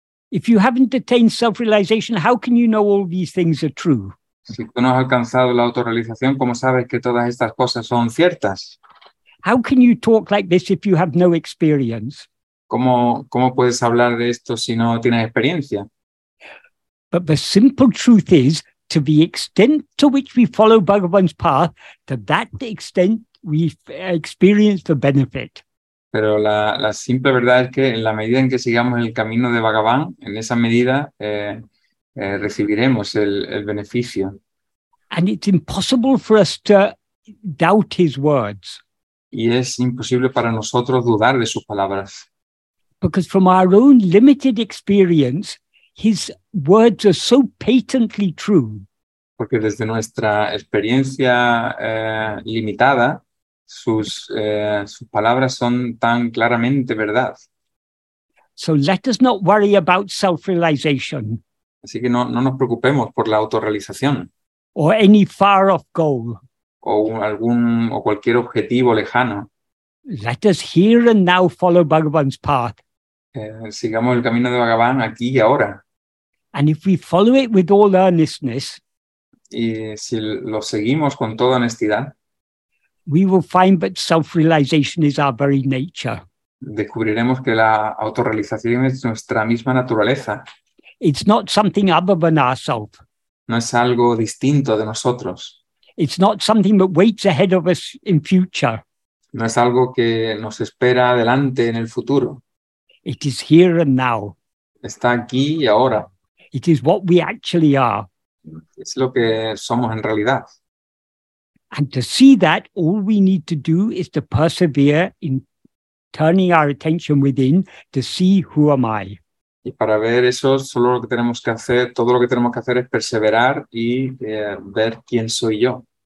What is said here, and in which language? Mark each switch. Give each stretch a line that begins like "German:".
English: If you haven't attained self-realization, how can you know all these things are true?
Spanish: Si tú no has alcanzado la autorrealización, ¿cómo sabes que todas estas cosas son ciertas?
English: How can you talk like this if you have no experience?
Spanish: ¿Cómo puedes hablar de esto si no tienes experiencia?
English: But the simple truth is, to the extent to which we follow Bhagavan's path, to that extent we experience the benefit.
Spanish: Pero la simple verdad es que en la medida en que sigamos el camino de Bhagavan, en esa medida recibiremos el beneficio.
English: And it's impossible for us to doubt his words.
Spanish: Y es imposible para nosotros dudar de sus palabras.
English: Because from our own limited experience, his words are so patently true.
Spanish: Porque desde nuestra experiencia limitada, sus palabras son tan claramente verdad.
English: So let us not worry about self-realization.
Spanish: Así que no nos preocupemos por la autorrealización.
English: Or any far-off goal.
Spanish: O cualquier objetivo lejano.
English: Let us here and now follow Bhagavan's path.
Spanish: Sigamos el camino de Bhagavan aquí y ahora.
English: And if we follow it with all earnestness,
Spanish: y si lo seguimos con toda honestidad,
English: we will find that self-realization is our very nature.
Spanish: Descubriremos que la autorrealización es nuestra misma naturaleza.
English: It's not something other than ourselves.
Spanish: No es algo distinto de nosotros.
English: It's not something that waits ahead of us in future.
Spanish: No es algo que nos espera adelante en el futuro.
English: It is here and now.
Spanish: Está aquí y ahora.
English: It is what we actually are.
Spanish: Es lo que somos en realidad.
English: And to see that, all we need to do is to persevere in turning our attention within to see who am I.
Spanish: Y para ver eso, solo lo que tenemos que hacer, todo lo que tenemos que hacer es perseverar y ver quién soy yo.